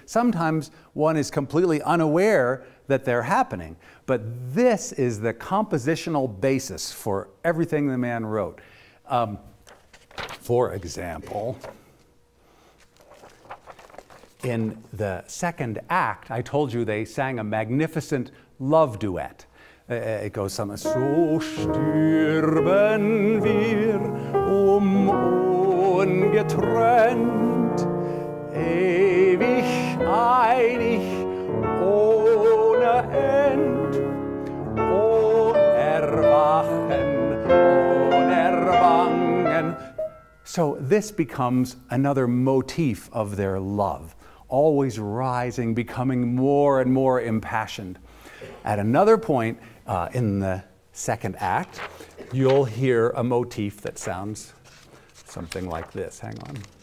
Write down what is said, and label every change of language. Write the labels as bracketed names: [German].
[English] Sometimes one is completely unaware that they're happening, but this is the compositional basis for everything the man wrote. For example, in the second act, I told you they sang a magnificent love duet. It goes something, [German] so stirben wir ungetrennt, ewig einig ohne End, o erwachen, ohne Erwangen. [English] So this becomes another motif of their love, always rising, becoming more and more impassioned. At another point in the second act, you'll hear a motif that sounds something like this. Hang on.